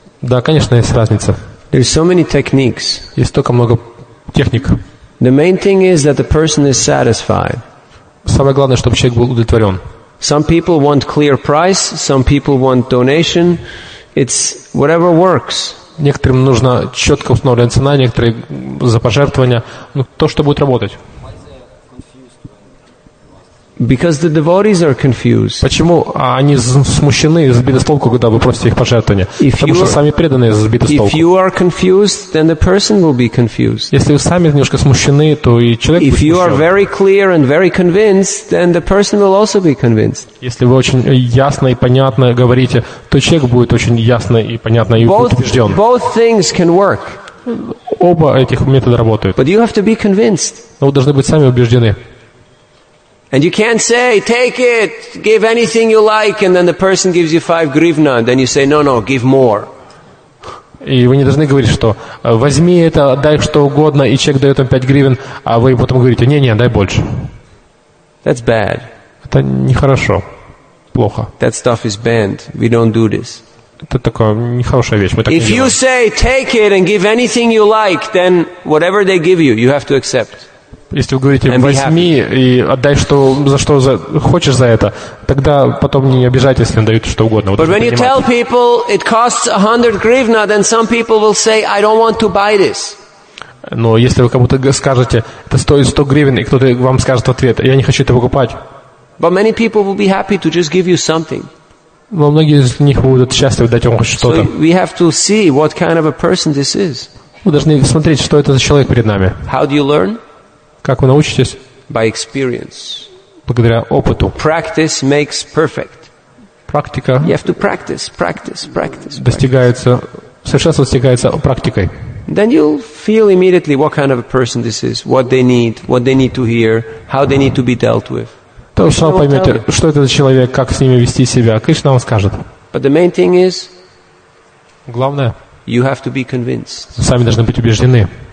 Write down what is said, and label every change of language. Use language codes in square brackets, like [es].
[ru] Да, конечно, есть разница. [en] There's so many techniques. [ru] Есть столько много техник. [en] The main thing is that the person is satisfied. [ru] Самое главное, чтобы человек был удовлетворен. [en] Some people want clear price, some people want donation. It's whatever works. [ru] Некоторым нужна четко установленная цена, некоторые за пожертвования. Ну, то, что будет работать. [en] Because the devotees are confused. [ru] Почему они смущены, сбиты с толку, когда вы просите их пожертвования? Потому что сами преданные сбиты с толку. [en] If you are confused, then the person will be confused. [ru] Если вы сами немножко смущены, то и человек. [en] If you are very clear and very convinced, then the person will also be convinced. [ru] Если вы очень ясно и понятно говорите, то человек будет очень ясно и понятно и убежден. [en] Both things can work. [ru] Оба этих метода работают. [en] But you have to be convinced. [ru] Но вы должны быть сами убеждены. [en] And you can't say, take it, give anything you like, and then the person gives you 5 hryvnia, then you say, no, give more. [ru] И вы не должны говорить, что возьми это, дай что угодно, и человек дает вам 5 гривен, а вы потом говорите, не, дай больше. [en] That's bad. [ru] Это нехорошо, плохо. [en] That stuff is banned. We don't do this. [ru] Это такая нехорошая вещь, мы так не делаем. [en] If you say, take it and give anything you like, then whatever they give you, you have to accept. [ru] Если вы говорите, возьми и отдай, что, за что за, хочешь за это, тогда потом не обижайтесь, если дают что угодно. [en] But when you tell people it costs 100 hryvnia, then some people will say, I don't want to buy this. [ru] Но если вы кому-то скажете, это стоит 100 гривен, и кто-то вам скажет в ответ, я не хочу это покупать. [en] But many people will be happy to just give you something. [ru] Но многие из них будут счастливы дать вам хоть что-то. [en] So we have to see what kind of a person this is. [ru] Вы должны смотреть, что это за человек перед нами. [en] How do you learn? [ru] Как вы научитесь? [en] By experience. [ru] Благодаря опыту. [en] Practice makes perfect. [ru] Практика. [en] You have to practice. [ru] Достигается, совершенство достигается практикой. [en] Then you'll feel immediately what kind of a person this is, what they need to hear, how they need to be dealt with. [ru] То же самое поймете, что это за человек, как с ними вести себя. Кришна вам скажет. [en] But the main thing is. [ru] Главное. [en] You have to be convinced. [ru] Сами должны быть убеждены.